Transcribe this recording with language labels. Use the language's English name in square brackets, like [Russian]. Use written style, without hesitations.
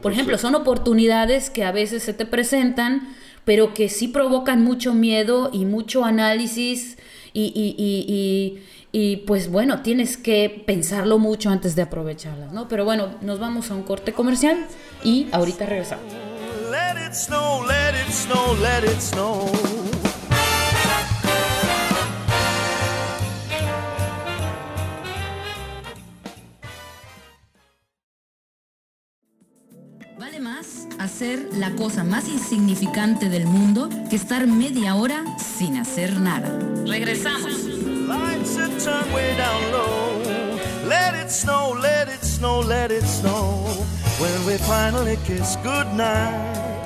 [Spanish] por ejemplo, son oportunidades que a veces se te presentan, pero que sí provocan mucho miedo y mucho análisis. Y pues bueno, tienes que pensarlo mucho antes de aprovecharlas, ¿no? Pero bueno, nos vamos a un corte comercial y ahorita regresamos. [English] Let it snow, let it snow, let it snow. [Spanish] ¿Vale más hacer la cosa más insignificante del mundo que estar media hora sin hacer nada? Regresamos. [English] Lights are turned way down low. Let it snow, let it snow, let it snow. When we finally kiss goodnight.